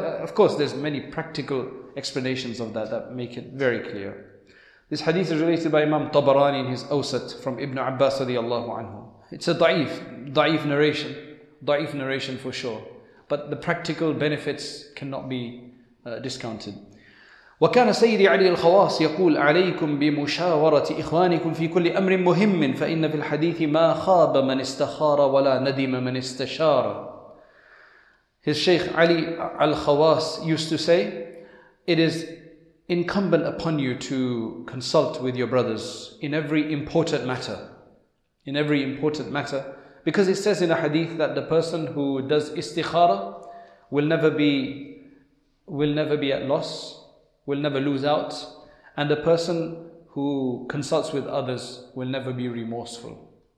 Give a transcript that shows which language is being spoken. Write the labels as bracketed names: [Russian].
[English] Of course, there's many practical explanations of that make it very clear. This hadith is related by Imam Tabarani in his Awsat from Ibn Abbas radiallahu anhu. It's a da'if narration for sure. But the practical benefits cannot be discounted. [Arabic] وكان سيدي علي الخواص يقول عليكم بمشاورة إخوانكم في كل أمر مهم فإن في الحديث ما خاب من استخار ولا ندم من استشار. [English] His Shaykh Ali al-Khawas used to say, it is incumbent upon you to consult with your brothers in every important matter. In every important matter. Because it says in a hadith that the person who does istikhara will never be at loss, will never lose out, and the person who consults with others will never be remorseful.